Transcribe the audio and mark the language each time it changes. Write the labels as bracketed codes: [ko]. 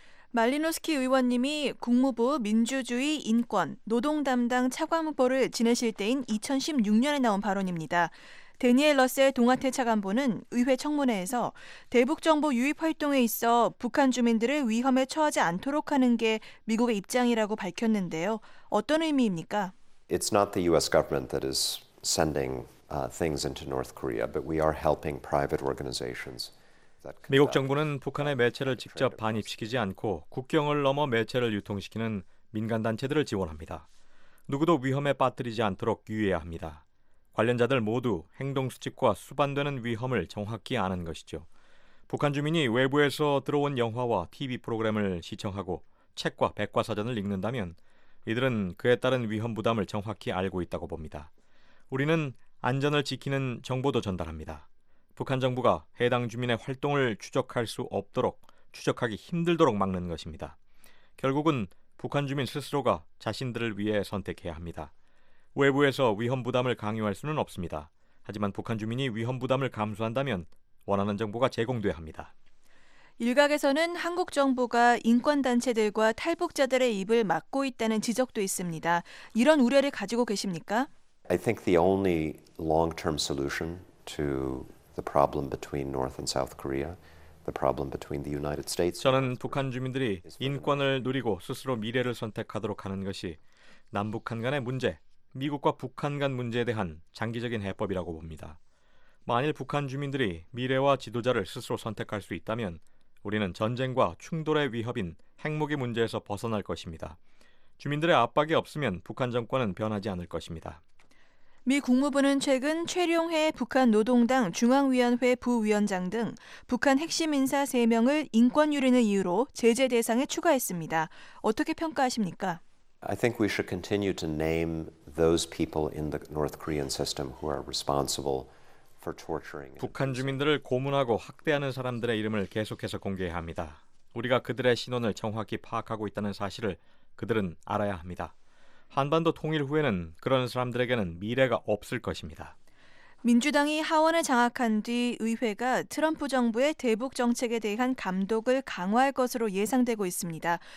[ko] 말리노스키 의원님이 국무부 민주주의 인권 노동 담당 차관보를 지내실 때인 2016년에 나온 발언입니다. 대니엘 러셀 동아태 차관보는 의회 청문회에서 대북 정보 유입 활동에 있어 북한 주민들을 위험에 처하지 않도록 하는 게 미국의 입장이라고 밝혔는데요. 어떤 의미입니까? [en] It's not the US government that is sending things into North Korea, but we are helping private organizations. [ko] 미국 정부는 북한의 매체를 직접 반입시키지 않고 국경을 넘어 매체를 유통시키는 민간 단체들을 지원합니다. 누구도 위험에 빠뜨리지 않도록 유의해야 합니다. 관련자들 모두 행동 수칙과 수반되는 위험을 정확히 아는 것이죠. 북한 주민이 외부에서 들어온 영화와 TV 프로그램을 시청하고 책과 백과사전을 읽는다면 이들은 그에 따른 위험 부담을 정확히 알고 있다고 봅니다. 우리는 안전을 지키는 정보도 전달합니다. 북한 정부가 해당 주민의 활동을 추적할 수 없도록 추적하기 힘들도록 막는 것입니다. 결국은 북한 주민 스스로가 자신들을 위해 선택해야 합니다. 외부에서 위험 부담을 강요할 수는 없습니다. 하지만 북한 주민이 위험 부담을 감수한다면 원하는 정보가 제공돼야 합니다. 일각에서는 한국 정부가 인권단체들과 탈북자들의 입을 막고 있다는 지적도 있습니다. 이런 우려를 가지고 계십니까? [en] I think the only long-term solution to the problem between North and South Korea, the problem between the United States. [ko] 저는 북한 주민들이 인권을 누리고 스스로 미래를 선택하도록 하는 것이 남북한 간의 문제, 미국과 북한 간 문제에 대한 장기적인 해법이라고 봅니다. 만일 북한 주민들이 미래와 지도자를 스스로 선택할 수 있다면 우리는 전쟁과 충돌의 위협인 핵무기 문제에서 벗어날 것입니다. 주민들의 압박이 없으면 북한 정권은 변하지 않을 것입니다. 미 국무부는 최근 최룡해 북한 노동당 중앙위원회 부위원장 등 북한 핵심 인사 3명을 인권 유린을 이유로 제재 대상에 추가했습니다. 어떻게 평가하십니까? [en] I think we should continue to name those people in the North Korean system who are responsible for torturing. [ko] 북한 주민들을 고문하고 학대하는 사람들의 이름을 계속해서 공개해야 합니다. 우리가 그들의 신원을 정확히 파악하고 있다는 사실을 그들은 알아야 합니다. 한반도 통일 후에는 그런 사람들에게는 미래가 없을 것입니다. 민주당이 하원을 장악한 뒤 의회가 트럼프 정부의 대북 정책에 대한 감독을 강화할 것으로 예상되고 있습니다.